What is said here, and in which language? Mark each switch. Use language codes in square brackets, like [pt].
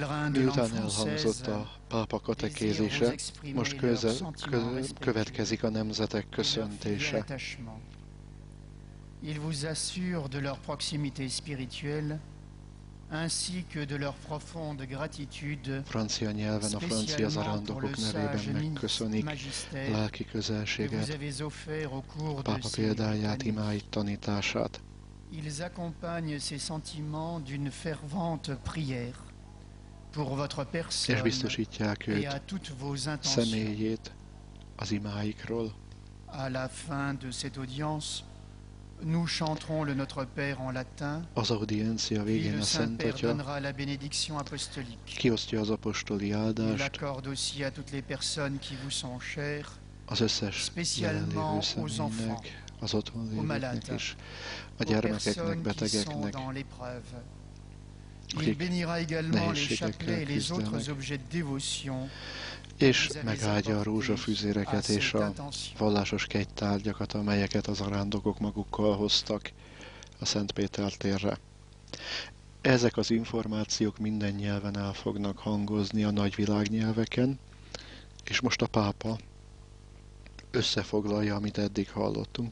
[hu] Miután elhangzott a pápa katekézise, most következik a nemzetek köszöntése. [fr] Il vous assure de leur proximité spirituelle, ainsi que de leur profonde gratitude. [hu] Francia nyelven a francia zarándokok nevében megköszönik lelki közelséget, pápa példáját, imáit, tanítását. [fr] Ils accompagnent ces sentiments d'une fervente prière. pour votre personne [hu] és biztosítják őt [fr] et à toutes vos intentions [hu] személyét az imáikról. [fr] À la fin de cette audience, nous chanterons le Notre Père en latin. [hu] Az audiencia végén a Szentatya, [fr] donnera la bénédiction apostolique. [hu] Kiosztja az apostoli áldást. [fr] Il accorde aussi à toutes les personnes qui vous sont chères, [hu] az összes [fr] spécialement aux enfants, [hu] az otthon lévőknek, a gyermekeknek, betegeknek. [fr] Dans l'épreuve. Il bénira également les chapelets et les autres objets de dévotion. [hu] És megáldja a rózsafűzéreket és a vallásos kegytárgyakat, amelyeket az zarándokok magukkal hoztak a Szent Péter térre. Ezek az információk minden nyelven el fognak hangozni a nagyvilág nyelveken, és most a pápa összefoglalja, amit eddig hallottunk.